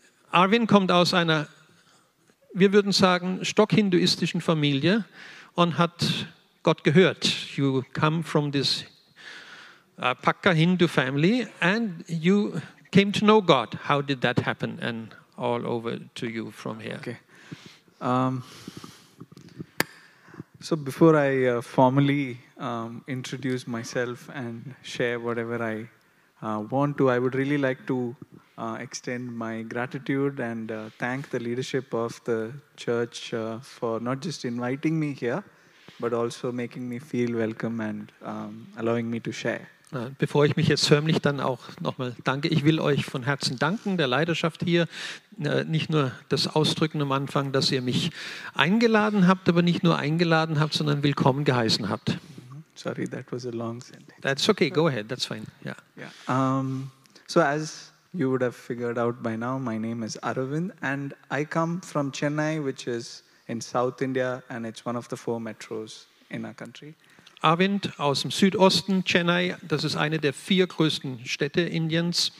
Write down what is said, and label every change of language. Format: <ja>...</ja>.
<de>Arvind kommt aus einer, wir würden sagen, stockhinduistischen Familie und hat Gott gehört.</de> <en>You come from this Pakka Hindu family and you came to know God. How did that happen? And all over to you from here. Okay. So before I formally introduce myself and share whatever I want to, I would really like to extend my gratitude and thank the leadership of the church for not just inviting me here, but also making me feel welcome and allowing me to share.</en> <de>Bevor ich mich jetzt förmlich dann auch nochmal danke, ich will euch von Herzen danken, der Leidenschaft hier, nicht nur das Ausdrücken am Anfang, dass ihr mich eingeladen habt, aber nicht nur eingeladen habt, sondern willkommen geheißen habt.</de> <en>Sorry, that was a long sentence. That's okay, go ahead, that's fine. Yeah. So as you would have figured out by now, my name is Aravind and I come from Chennai, which is in South India and it's one of the four metros in our country.</en> <de>Arvind aus dem Südosten, Chennai, das ist eine der vier größten Städte Indiens.</de>